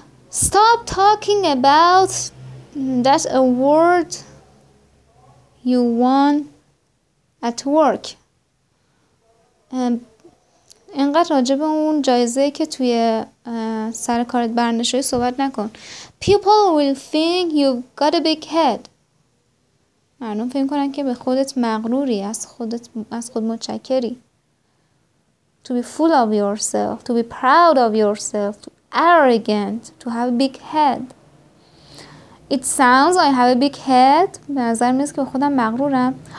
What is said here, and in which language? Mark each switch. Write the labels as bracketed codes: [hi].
[en] Stop talking about that award you won at work. [fa] اینقدر راجع به اون جایزه که توی سر کارت برنشه صحبت نکن. [en] People will think you've got a big head. [fa] مردم فکر کنن که به خودت مغروری، از خود متشکری. [en] To be full of yourself, to be proud of yourself, to arrogant, to have a big head. It sounds I have a big head. [fa] به نظر میاد که به خودم مغرورم.